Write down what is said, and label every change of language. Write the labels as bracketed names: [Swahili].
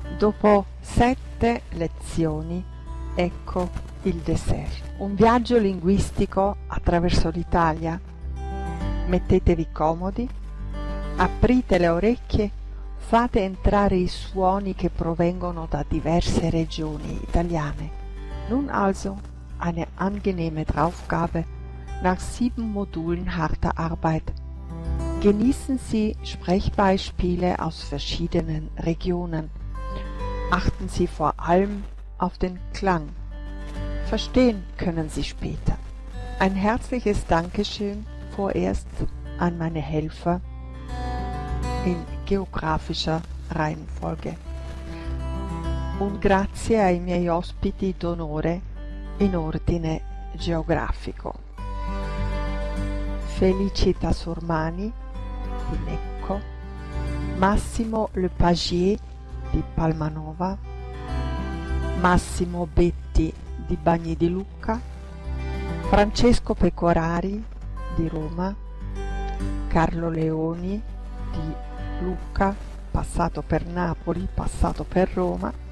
[Italian] Dopo 7 lezioni, ecco il dessert. Un viaggio linguistico attraverso l'Italia. Mettetevi comodi, aprite le orecchie, fate entrare i suoni che provengono da diverse regioni italiane. [German] Nun also eine angenehme Aufgabe nach 7 Modulen harter Arbeit. Genießen Sie Sprechbeispiele aus verschiedenen Regionen. Achten Sie vor allem auf den Klang. Verstehen können Sie später. Ein herzliches Dankeschön vorerst an meine Helfer in geografischer Reihenfolge. [Italian] Un grazie ai miei ospiti d'onore in ordine geografico. Felicitas Urmani di Lecco, Massimo Lepagier di Palmanova, Massimo Betti di Bagni di Lucca, Francesco Pecorari di Roma, Carlo Leoni di Lucca, passato per Napoli, passato per Roma,